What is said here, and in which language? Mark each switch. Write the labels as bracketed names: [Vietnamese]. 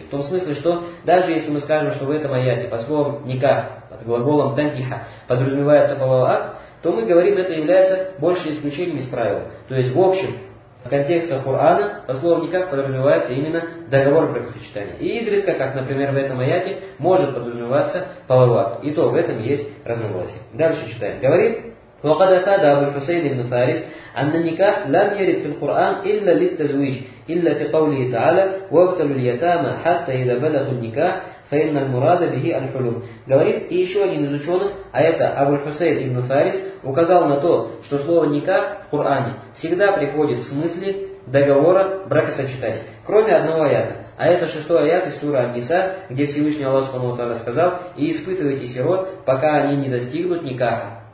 [Russian] В том смысле, что даже если мы скажем, что в этом аяте по словам никах, под глаголом тантиха, подразумевается половой акт, то мы говорим, это является больше исключением из правил. То есть, в общем, в контексте Корана по словам никах подразумевается именно договор бракосочетания. И изредка, как, например, в этом аяте, может подразумеваться половой акт. И то в этом есть разногласие. Дальше читаем. Говорим. [Arabic] وقد افاد ابو الحسين بن فارس ان النكاح لم يرد في القران الا للتزويج الا في قوله تعالى وابتلوا اليتامى حتى اذا بلغوا النكاح فان المراد به الحلم. [Russian] Говорит, и еще один из ученых, а это Абу Хусейн ибн Фарис, указал на то, что слово никах в Коране всегда приходит в смысле договора бракосочетания, кроме одного аята. А это шестой аят из суры Ан-Ниса, где Всевышний Аллах Субхану ва Тааля сказал: «И испытывайте сирот, пока они не достигнут никаха».